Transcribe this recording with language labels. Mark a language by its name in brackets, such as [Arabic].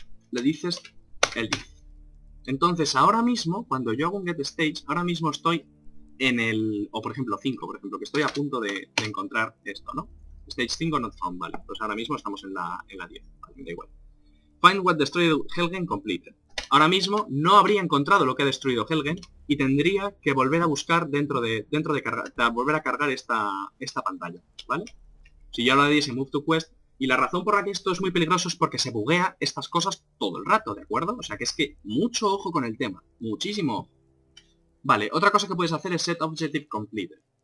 [Spanish] Le dices el 10. Entonces, ahora mismo, cuando yo hago un get stage, ahora mismo estoy en el... O, por ejemplo, 5, por ejemplo, que estoy a punto de encontrar esto, ¿no? [English] Stage 5 not found, [Spanish] vale. Pues ahora mismo estamos en la 10, vale, da igual. [English] Find what destroyed Helgen completed. [Spanish] Ahora mismo no habría encontrado lo que ha destruido Helgen y tendría que volver a buscar dentro de cargar, volver a cargar esta pantalla, ¿vale? Si ya lo dice [English] Move to Quest, [Spanish] y la razón por la que esto es muy peligroso es porque se buguea estas cosas todo el rato, ¿de acuerdo? O sea que es que mucho ojo con el tema, muchísimo ojo. Vale, otra cosa que puedes hacer es [English] Set Objective Completed.